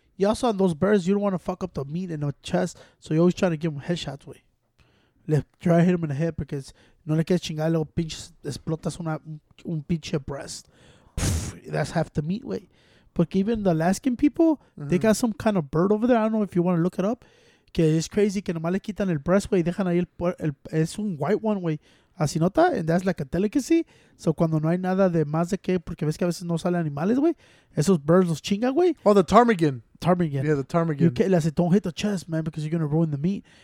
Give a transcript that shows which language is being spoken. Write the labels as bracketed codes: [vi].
[en] You also on those birds, you don't want to fuck up the meat in the chest. So you're always trying to give them headshots, güey. Le try to hit them in the head because no le quieres chingar. [es] Luego pinches, explotas un pinche breast. That's half the meat, güey. [en] But even the Alaskan people, they got some kind of bird over there. I don't know if you want to look it up. [es] Que es crazy que nomás le quitan el breast, güey, dejan ahí el es un white one, güey. Así nota, and that's like a delicacy. So cuando no hay nada de más de que, porque ves que a veces no salen animales, güey. Esos birds los chingan, güey. [en] Oh, the ptarmigan. Ptarmigan. Yeah, the ptarmigan. You le hace, don't hit the chest, man, because you're going to ruin the meat.